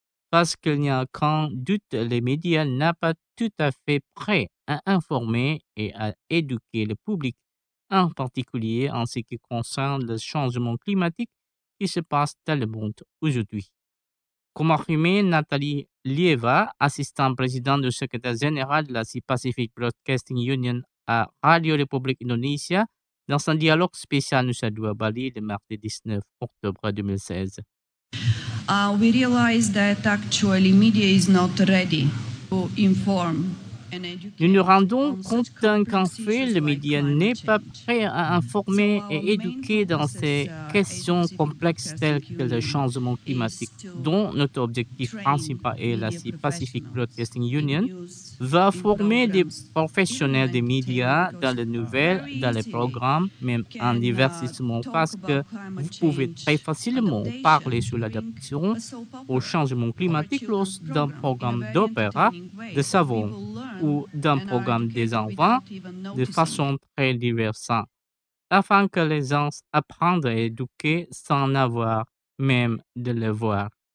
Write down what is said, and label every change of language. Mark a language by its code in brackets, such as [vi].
[fr] Parce qu'il n'y a qu'un doute, les médias n'ont pas tout à fait prêt à informer et à éduquer le public, en particulier en ce qui concerne le changement climatique qui se passe dans le monde aujourd'hui. Comme affirmé Nathalie Lieva, assistante présidente du secrétaire général de la Pacific Broadcasting Union à Radio République Indonésie, dans un dialogue spécial Nusa Dua Bali le mardi 19 octobre 2016. [en] We realize that actually media is not ready to inform and educate. [fr] Nous nous rendons compte qu'en fait, le média n'est pas prêt à informer et éduquer dans ces questions complexes telles que le changement climatique, dont notre objectif principal est la Pacific Broadcasting Union, va former des professionnels des médias dans les nouvelles, dans les programmes, même en divertissement, parce que vous pouvez très facilement parler sur l'adaptation au changement climatique lors d'un programme d'opéra, de savon, ou d'un programme des enfants de façon très diverse, afin que les gens apprennent à éduquer sans avoir même de le voir.